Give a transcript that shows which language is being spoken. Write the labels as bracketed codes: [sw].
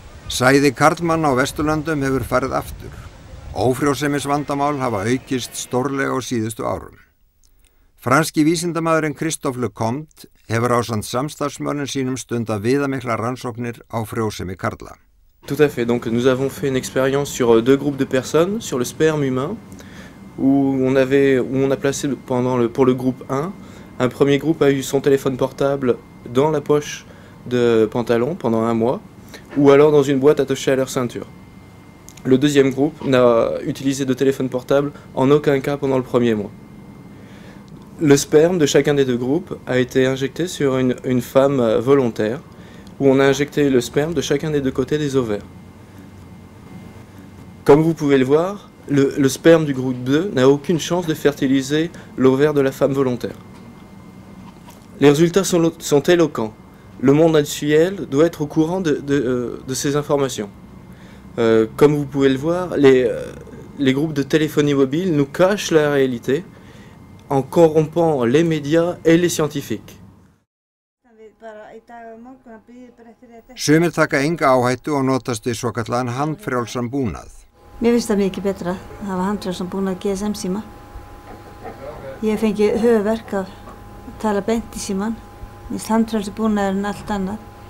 [is] Sæði Karlmann á Vesturlöndum hefur farið aftur. Ófrjósemisvandamál hafa aukist stórlega á síðustu árum. Franski vísindamaðurinn Christophe Lecomte hefur ásamt samstarfsmönnum sínum stundað viðamiklar rannsóknir á frjósemi karla. [fr] Tout à fait. Donc nous avons fait une expérience sur deux groupes de personnes, sur le sperme humain. Où on a placé pour le groupe 1, un premier groupe a eu son téléphone portable dans la poche de pantalon pendant un mois, ou alors dans une boîte attachée à leur ceinture. Le deuxième groupe n'a utilisé de téléphone portable en aucun cas pendant le premier mois. Le sperme de chacun des deux groupes a été injecté sur une femme volontaire, où on a injecté le sperme de chacun des deux côtés des ovaires. Comme vous pouvez le voir, Le sperme du groupe 2 n'a aucune chance de fertiliser l'ovaire de la femme volontaire. Les résultats sont éloquents. Le monde industriel doit être au courant de ces informations. Comme vous pouvez le voir, les groupes de téléphonie mobile nous cachent la réalité en corrompant les médias et les scientifiques. [is] Sumir taka enga áhættu og notast við svokallaðan handfrjálsan búnað. Mér finnst það mikið betra að hafa handfrjálsan búnað GSM-síma. Ég fengi höfuverk að tala beint í símann. Mér handfrjálsan búnað er en allt annað.